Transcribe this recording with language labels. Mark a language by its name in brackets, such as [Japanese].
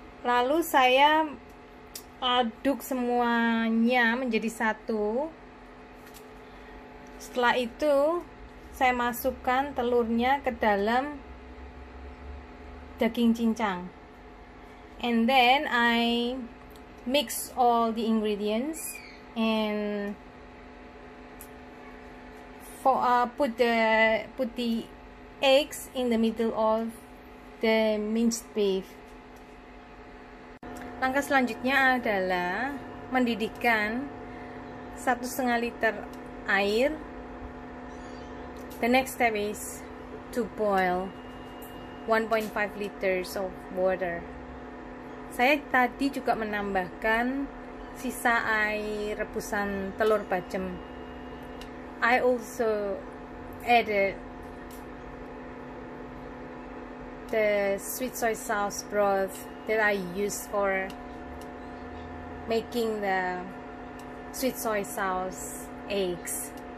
[Indonesian] Lalu saya aduk semuanya menjadi satu. Setelah itu, saya masukkan telurnya ke dalam daging cincang. [English] And then I mix all the ingredients and put the eggs in the middle of the minced beef. [Indonesian] Langkah selanjutnya adalah mendidihkan 1,5 liter air. [English] The next step is to boil 1.5 liters of water. [Indonesian] Saya tadi juga menambahkan sisa air rebusan telur bacem. [English] I also added the sweet soy sauce broth that I use for making the sweet soy sauce eggs.